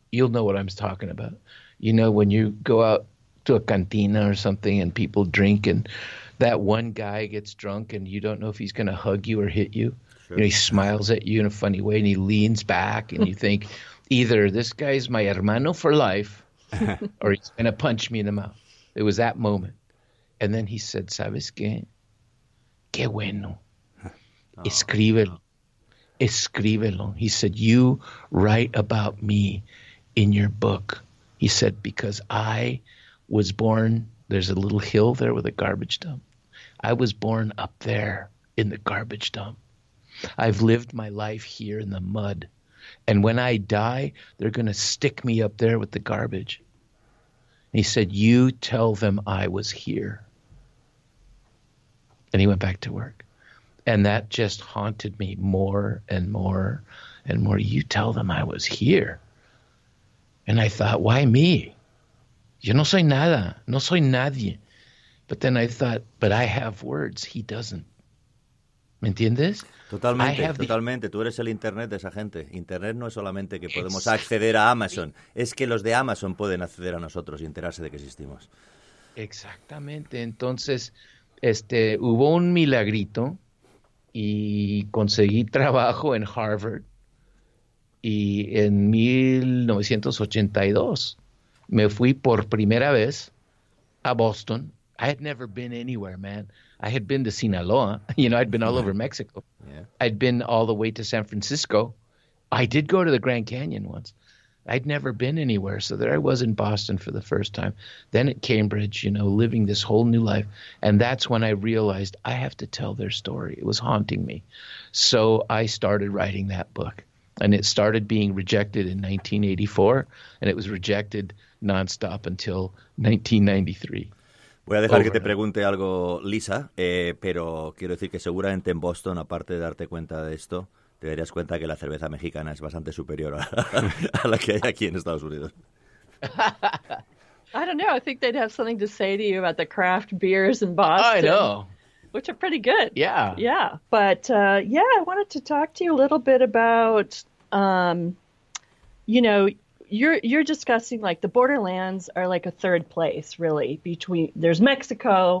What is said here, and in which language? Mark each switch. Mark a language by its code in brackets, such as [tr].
[en] You'll know what I'm talking about. You know, when you go out to a cantina or something and people drink and that one guy gets drunk and you don't know if he's going to hug you or hit you. Sure. You know, he smiles at you in a funny way and he leans back and you think either this guy's my hermano for life or he's going to punch me in the mouth. It was that moment. And then he said, [es] ¿sabes qué? ¡Qué bueno! Escríbelo. Escríbelo. [en] He said, you write about me in your book. He said, because I was born, there's a little hill there with a garbage dump. I was born up there in the garbage dump. I've lived my life here in the mud. And when I die, they're going to stick me up there with the garbage. And he said, you tell them I was here. And he went back to work. And that just haunted me more and more and more. You tell them I was here. And I thought, why me? [es] Yo no soy nada. No soy nadie. [en] But then I thought, but I have words. He doesn't. [es] ¿Me entiendes? Totalmente. Tú eres el internet de esa gente. Internet no es solamente que podemos acceder a Amazon. Es que los de Amazon pueden acceder a nosotros y enterarse de que existimos. Exactamente. Entonces, hubo un milagrito y conseguí trabajo en Harvard. Y en 1982 me fui por primera vez a Boston. [en] I had never been anywhere, man. I had been to Sinaloa. You know, I'd been all over Mexico. Yeah. I'd been all the way to San Francisco. I did go to the Grand Canyon once. I'd never been anywhere. So there I was in Boston for the first time. Then at Cambridge, you know, living this whole new life. And that's when I realized I have to tell their story. It was haunting me. So I started writing that book. And it started being rejected in 1984. And it was rejected nonstop until 1993. [es] Voy a dejar que te pregunte algo, Lisa, pero quiero decir que seguramente en Boston, aparte de darte cuenta de esto, te darías cuenta que la cerveza mexicana es bastante superior a la que hay aquí en Estados Unidos. [en] I don't know. I think they'd have something to say to you about the craft beers in Boston. I know. Which are pretty good. Yeah. Yeah. But, yeah, I wanted to talk to you a little bit about, you know, You're discussing, like, the borderlands are like a third place, really, between – there's Mexico,